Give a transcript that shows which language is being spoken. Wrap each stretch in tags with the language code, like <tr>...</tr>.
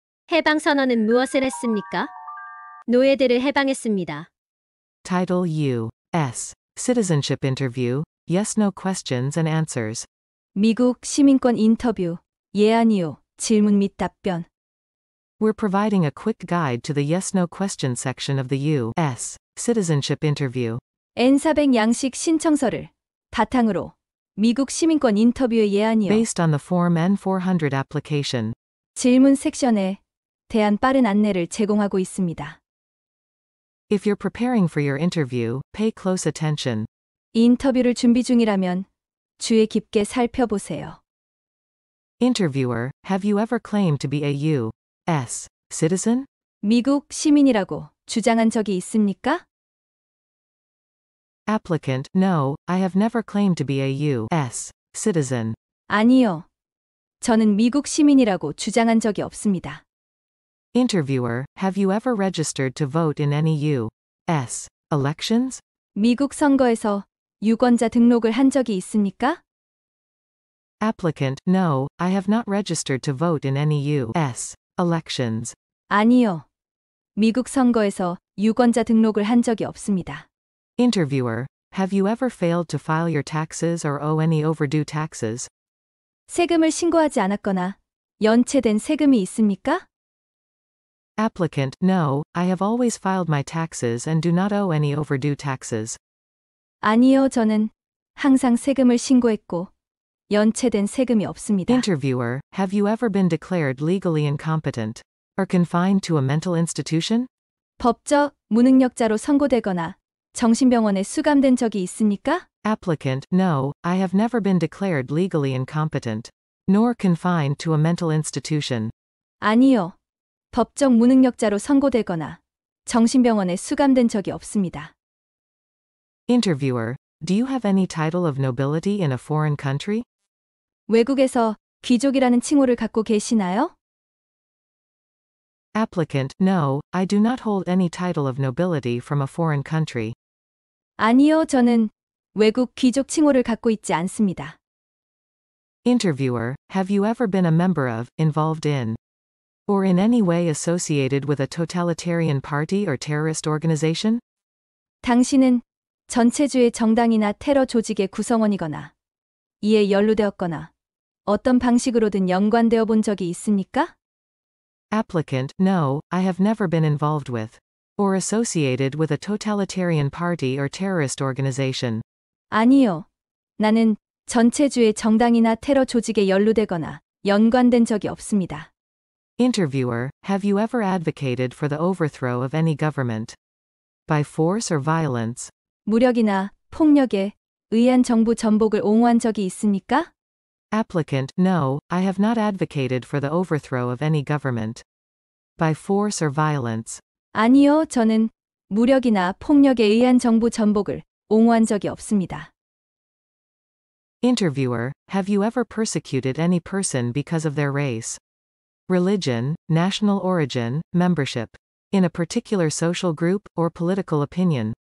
<ko>해방선언은 무엇을 했습니까? 노예들을 해방했습니다.</ko> <en>Title U.S. Citizenship Interview, Yes, No Questions and Answers.</en> <ko>미국 시민권 인터뷰, 예 아니요, 질문 및 답변.</ko> <en>We're providing a quick guide to the Yes, No Question section of the U.S. Citizenship Interview.</en> <ko>N-400 양식 신청서를 바탕으로 미국 시민권 인터뷰의 예 아니요.</ko> <en>Based on the form N-400 application.</en> <ko>질문 섹션에 대한 빠른 안내를 제공하고 있습니다.</ko> <en>If you're preparing for your interview, pay close attention.</en> <ko>인터뷰를 준비 중이라면 주의 깊게 살펴보세요.</ko> <en>Interviewer, have you ever claimed to be a U.S. citizen?</en> <ko>미국 시민이라고 주장한 적이 있습니까?</ko> <en>Applicant, no, I have never claimed to be a U.S. citizen.</en> <ko>아니요, 저는 미국 시민이라고 주장한 적이 없습니다.</ko> <en>Interviewer, have you ever registered to vote in any U.S. elections?</en> <ko>미국 선거에서 유권자 등록을 한 적이 있습니까?</ko> <en>Applicant, no, I have not registered to vote in any U.S. elections.</en> <ko>아니요, 미국 선거에서 유권자 등록을 한 적이 없습니다.</ko> <en>Interviewer, have you ever failed to file your taxes or owe any overdue taxes?</en> <ko>세금을 신고하지 않았거나 연체된 세금이 있습니까?</ko> <en>Applicant, no, I have always filed my taxes and do not owe any overdue taxes.</en> <ko>아니요, 저는 항상 세금을 신고했고 연체된 세금이 없습니다.</ko> <en>Interviewer, have you ever been declared legally incompetent or confined to a mental institution?</en> <ko>법적 무능력자로 선고되거나 정신병원에 수감된 적이 있습니까?</ko> <en>Applicant, no, I have never been declared legally incompetent, nor confined to a mental institution.</en> <ko>아니요. 법적 무능력자로 선고되거나 정신병원에 수감된 적이 없습니다.</ko> <en>Interviewer, do you have any title of nobility in a foreign country?</en> <ko>외국에서 귀족이라는 칭호를 갖고 계시나요?</ko> <en>Applicant, no, I do not hold any title of nobility from a foreign country.</en> <ko>아니요, 저는 외국 귀족 칭호를 갖고 있지 않습니다.</ko> <en>Interviewer, have you ever been a member of, involved in, or in any way associated with a totalitarian party or terrorist organization?</en> <ko>당신은 전체주의 정당이나 테러 조직의 구성원이거나 이에 연루되었거나 어떤 방식으로든 연관되어 본 적이 있습니까?</ko> <en>Applicant, no, I have never been involved with or associated with a totalitarian party or terrorist organization.</en> <ko>아니요. 나는 전체주의 정당이나 테러 조직에 연루되거나 연관된 적이 없습니다.</ko> <en>Interviewer, have you ever advocated for the overthrow of any government by force or violence?</en> <ko>무력이나 폭력에 의한 정부 전복을 옹호한 적이 있습니까?</ko> <en>Applicant, no, I have not advocated for the overthrow of any government by force or violence.</en> <ko>아니요, 저는 무력이나 폭력에 의한 정부 전복을 옹호한 적이 없습니다.</ko> <en>Interviewer, have you ever persecuted any person because of their race, religion, national origin, membership in a particular social group or political opinion?</en>